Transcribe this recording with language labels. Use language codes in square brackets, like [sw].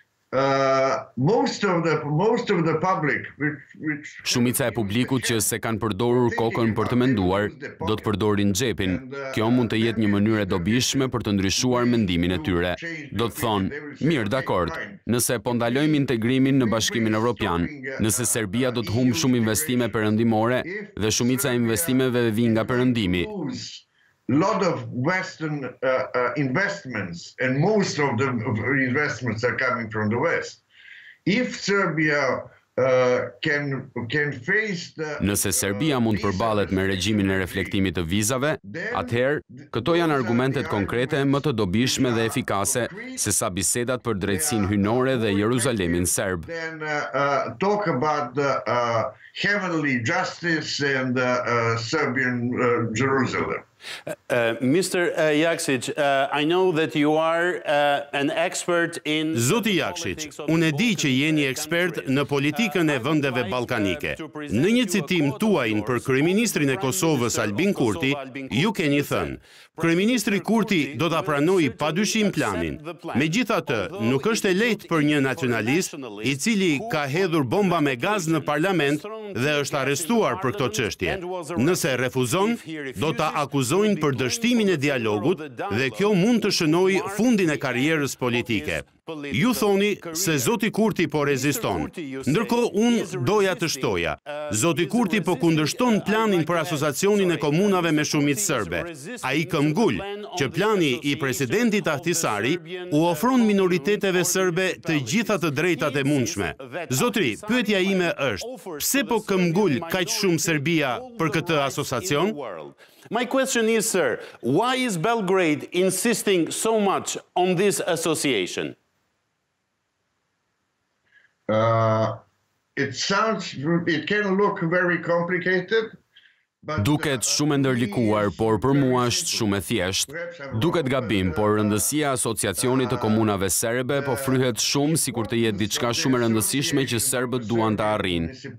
[en] Most of the public, which [sq] shumica e publikut që se kanë përdorur kokën për të menduar, do të përdorin xhepin. Kjo mund të jetë një mënyrë e dobishme për të ndryshuar mendimin e tyre. Do të thonë, mirë, dakord, nëse po ndalojmë integrimin në Bashkimin Evropian, nëse Serbia do të humbë shumë investime perëndimore dhe shumica e investimeve vijnë nga perëndimi. [en] Lot of Western investments, and most of the investments are coming from the West. If Serbia can face the... [sq] Nëse Serbia mund përballet me regjimin e reflektimit të vizave, atëherë, këto janë argumentet konkrete më të dobishme dhe efikase se sa bisedat për drejtsinë hyjnore dhe Jeruzalemin Serb. [en] Talk about the heavenly justice and Serbian Jerusalem. Mr. Jakšić, I know that you are an expert in... [sq] Zoti Jakšić, unë e di që jeni ekspert në politikën e vendeve balkanike. Në një citim tuaj për kryeministrin e Kosovës Albin Kurti, ju keni thënë, kryeministri Kurti do ta pranojë padyshim planin. Megjithatë, nuk është e lehtë për një nacionalist i cili ka hedhur bomba me gaz në parlament dhe është arrestuar për këto çështje. Nëse refuzon, do ta akuzojnë për dështimin e dialogut dhe kjo mund të shënojë fundin e karrierës politike. Ju thoni se Zoti Kurti po reziston. Ndërkohë unë doja të shtoja, Zoti Kurti po kundërshton planin për asociacionin e komunave me shumicë serbe. Ai këmbgul që plani i presidentit Ahtisari u ofron minoriteteve serbe të gjitha të drejtat e mundshme. Zotri, pyetja ime është, pse po këmbgul kaq shumë Serbia për këtë asociacion? [en] My question is, sir, why is Belgrade insisting so much on this association? It can look very complicated. [sq] Duket shumë ndërlikuar, por për mua është shumë e thjeshtë. Duket gabim, por rëndësia e asociacionit të komunave serbe po fryhet shumë sikur të jetë diçka shumë e rëndësishme që serbët duan të arrijnë.